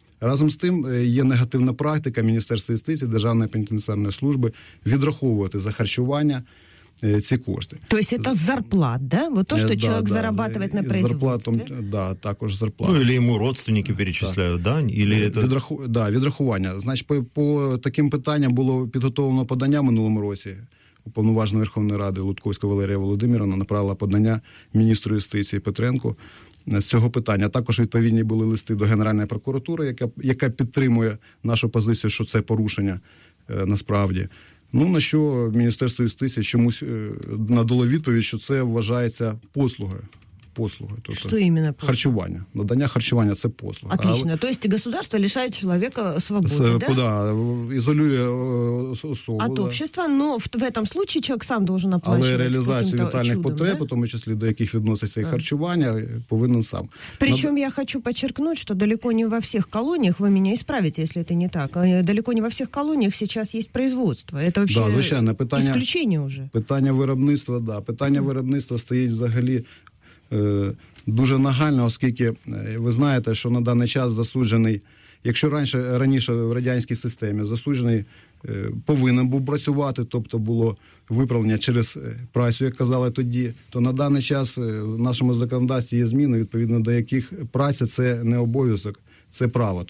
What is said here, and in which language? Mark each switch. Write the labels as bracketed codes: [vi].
[uk] Разом з тим, є негативна практика Міністерства юстиції, Державної пенітенціарної служби відраховувати за харчування ці кошти. [ru] То есть это зарплат, да? Вот то, что человек зарабатывает на производстве. [uk] Зарплатом, да, також зарплата. [ru] Ну, или ему родственники перечисляют, да? Или это... [uk] Відрахування. Значить, по таким питанням було підготовлено подання в минулому році. Уповноважена Верховної Ради Лутковська Валерія Володимирівна направила подання міністру юстиції Петренку з цього питання. Також відповідні були листи до Генеральної прокуратури, яка підтримує нашу позицію, що це порушення насправді. Ну, на що Міністерство юстиції чомусь надало відповідь, що це вважається послугою. послуги. Тобто що іменно послуги? Харчування. Надання харчування – це послуга. [ru] Отлично. Але... [uk] Тобто государство лишає чоловіка свободи, так? [ru] Да? [uk] Куда? Ізолює особу. [ru] От общества, да? Но в этом случае человек сам должен оплачивать. [uk] Але реалізацію вітальних чудом, потреб, да? У тому числі до яких відноситься і харчування, повинен сам. Причому я хочу подчеркнути, що далеко не во всіх колоніях, ви мене ісправите, якщо це не так, далеко не во всіх колоніях зараз є производство. Це взагалі, да, звичайно, питання, [ru] исключение уже. [uk] Питання виробництва, да. Питання виробництва стоїть взагалі дуже нагально, оскільки ви знаєте, що на даний час засуджений, якщо раніше в радянській системі засуджений повинен був працювати, тобто було виправлення через працю, як казали тоді, то на даний час в нашому законодавстві є зміни, відповідно до яких праця – це не обов'язок, це право.